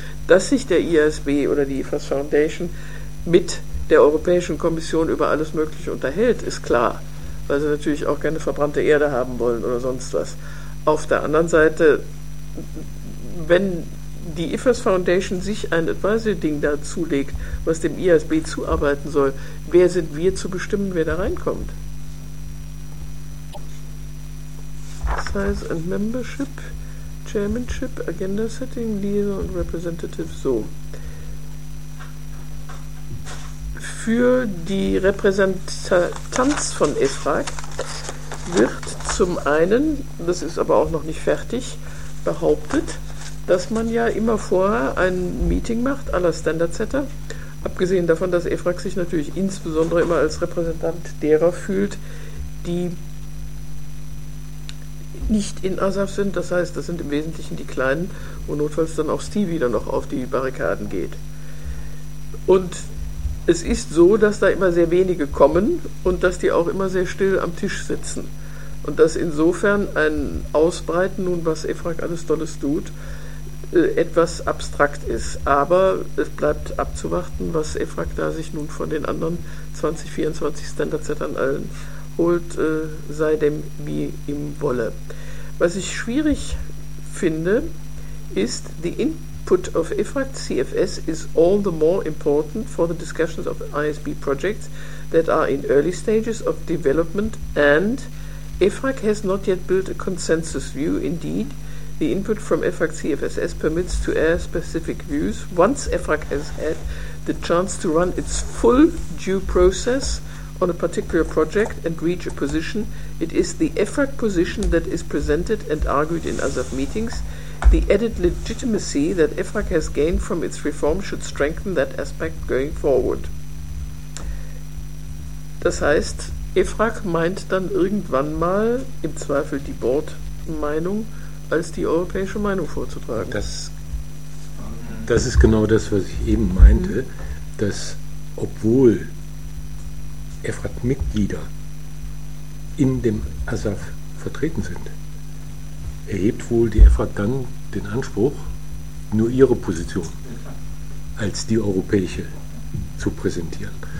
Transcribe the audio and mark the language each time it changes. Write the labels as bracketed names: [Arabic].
[German] Dass sich der ISB oder die IFAS Foundation mit der Europäischen Kommission über alles Mögliche unterhält, ist klar, weil sie natürlich auch gerne verbrannte Erde haben wollen oder sonst was. Auf der anderen Seite, wenn die IFAS Foundation sich ein Advisory-Ding da zulegt, was dem ISB zuarbeiten soll, wer sind wir zu bestimmen, wer da reinkommt? [English] Size and Membership, Chairmanship, Agenda Setting, Leader und Representative, so. [German] Für die Repräsentanz von EFRAG wird zum einen, das ist aber auch noch nicht fertig, behauptet, dass man ja immer vorher ein Meeting macht, aller Standard-Setter, abgesehen davon, dass EFRAG sich natürlich insbesondere immer als Repräsentant derer fühlt, die nicht in ASAF sind, das heißt, das sind im Wesentlichen die Kleinen, wo notfalls dann auch Steve wieder noch auf die Barrikaden geht. Und es ist so, dass da immer sehr wenige kommen und dass die auch immer sehr still am Tisch sitzen. Und dass insofern ein Ausbreiten nun, was EFRAG alles Tolles tut, etwas abstrakt ist. Aber es bleibt abzuwarten, was EFRAG da sich nun von den anderen 2024 Standard-Settern allen holt, sei dem wie ihm wolle. Was ich schwierig finde, ist, [English] the input of EFRAG CFS is all the more important for the discussions of ISB projects that are in early stages of development and EFRAG has not yet built a consensus view, indeed, the input from EFRAG CFSS permits to air specific views. Once EFRAG has had the chance to run its full due process on a particular project and reach a position, it is the EFRAG position that is presented and argued in ASAF meetings. The added legitimacy that EFRAG has gained from its reform should strengthen that aspect going forward. [German] Das heißt, EFRAG meint dann irgendwann mal, im Zweifel die Board-Meinung, als die europäische Meinung vorzutragen. Das ist genau das, was ich eben meinte, dass obwohl EFRAG-Mitglieder in dem ASAF vertreten sind, erhebt wohl die EFRAG dann den Anspruch, nur ihre Position als die europäische zu präsentieren.